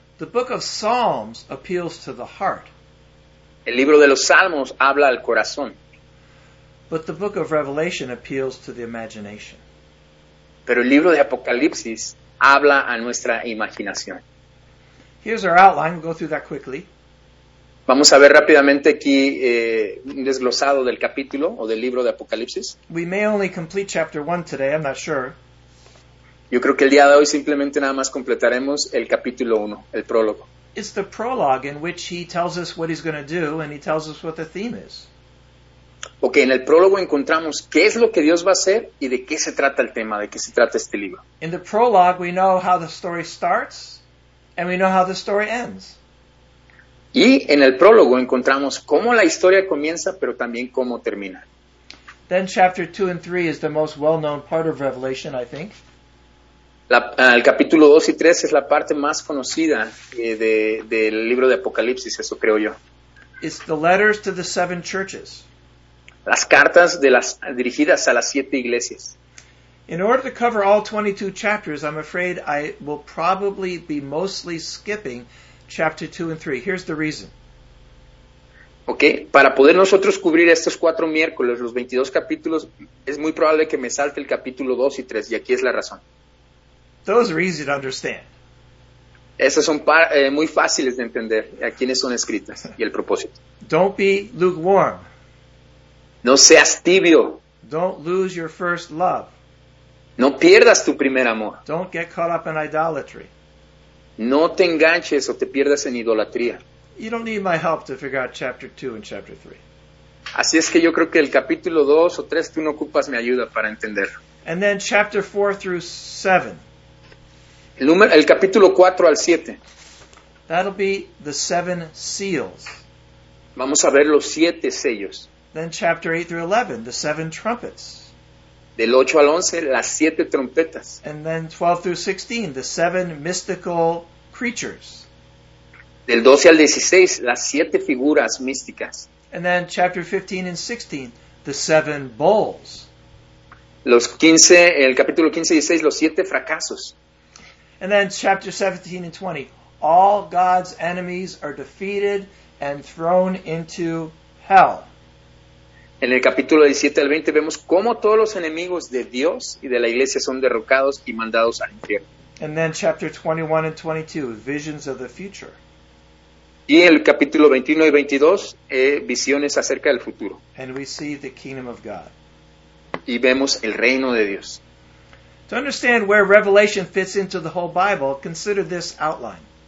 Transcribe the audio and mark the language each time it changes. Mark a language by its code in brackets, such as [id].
[en] The book of Psalms appeals to the heart. [es] El libro de los Salmos habla al corazón. [en] But the book of Revelation appeals to the imagination. [es] Pero el libro de Apocalipsis habla a nuestra imaginación. [en] Here's our outline. We'll go through that quickly. [es] Vamos a ver rápidamente aquí un desglosado del capítulo o del libro de Apocalipsis. [en] We may only complete chapter 1 today. I'm not sure. [es] Yo creo que el día de hoy simplemente nada más completaremos el capítulo 1, el prólogo. [en] It's the prologue in which he tells us what he's going to do and he tells us what the theme is. [es] Okay, en el prólogo encontramos qué es lo que Dios va a hacer y de qué se trata el tema, de qué se trata este libro. [en] In the prologue, we know how the story starts and we know how the story ends. [es] Y en el prólogo encontramos cómo la historia comienza, pero también cómo termina. [en] Then chapter 2 and 3 is the most well-known part of Revelation, I think. [es] El capítulo 2 y 3 es la parte más conocida del libro de Apocalipsis, eso creo yo. [en] It's the letters to the seven churches. [es] Las cartas dirigidas a las siete iglesias. [en] In order to cover all 22 chapters, I'm afraid I will probably be mostly skipping chapter 2 and 3. Here's the reason. [es] Okay, para poder nosotros cubrir estos cuatro miércoles, los 22 capítulos, es muy probable que me salte el capítulo 2 y 3, y aquí es la razón. [en] Those are easy to understand. [es] Esas son muy fáciles de entender a quiénes son escritas y el propósito. [en] Don't be lukewarm. [es] No seas tibio. [en] Don't lose your first love. [es] No pierdas tu primer amor. [en] Don't get caught up in idolatry. [es] No te enganches o te pierdas en idolatría. [en] You don't need my help to figure out chapter 2 and chapter 3. [es] Así es que yo creo que el capítulo 2 o 3 tú no ocupas mi ayuda para entenderlo. [en] And then chapter 4 through 7. [es] El capítulo 4 al 7. [en] That'll be the seven seals. [es] Vamos a ver los siete sellos. [en] Then chapter 8 through 11, the seven trumpets. [es] Del 8 al 11, las siete trompetas. [en] And then 12 through 16, the seven mystical creatures. [es] Del 12 al 16, las siete figuras místicas. [en] And then chapter 15 and 16, the seven bowls. [es] Los 15, el capítulo 15 y 16, los siete fracasos. [en] And then chapter 17 and 20, all God's enemies are defeated and thrown into hell. [es] En el capítulo 17 al 20 vemos cómo todos los enemigos de Dios y de la iglesia son derrocados y mandados al infierno. [en] And then chapter 21 and 22, visions of the future. [es] Y el capítulo 21 y 22, visiones acerca del futuro. [en] And we see the kingdom of God. [es] Y vemos el reino de Dios. [en] To understand where Revelation fits into the whole Bible, consider this outline.